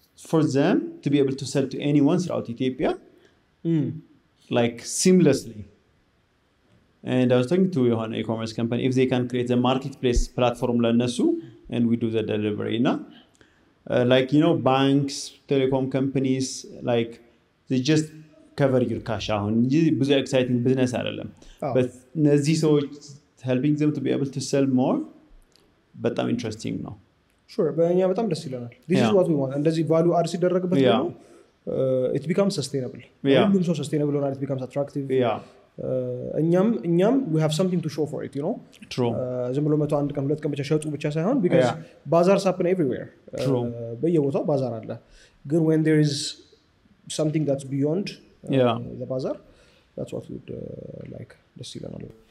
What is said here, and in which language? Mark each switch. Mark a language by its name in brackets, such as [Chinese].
[English] for them to be able to sell to anyone throughout Ethiopia like seamlessly and I was thinking to [Amharic] የሆነ [English] e-commerce company if they can create a marketplace platform [Amharic] ለነሱ [English] and we do the delivery na like you know banks telecom companies like they just cover your cash [Amharic] አሁን ይህ ብዙ [English] exciting business [Amharic] አይደለም [English] but [Amharic] እነዚህ ሰዎች [English] helping them to be able to sell more but I'm interesting now sure but yeah but I'm just learning this is what we want and this value adds [Amharic] ይደረግበት ነው [English] it becomes sustainable yeah. it becomes sustainable and it becomes attractive yeah [Amharic] እኛም [English] we have something to show for it you know true [Amharic] ዝም ብሎ 101 ቀን 2 ቀን ብቻ ሸጡ ብቻ ሳይሆን [English] because bazaars happen everywhere true [Amharic] በየቦታው [English] bazaar [Amharic] አለ [English] good when there is something that's beyond the bazaar that's what we'd like to see them all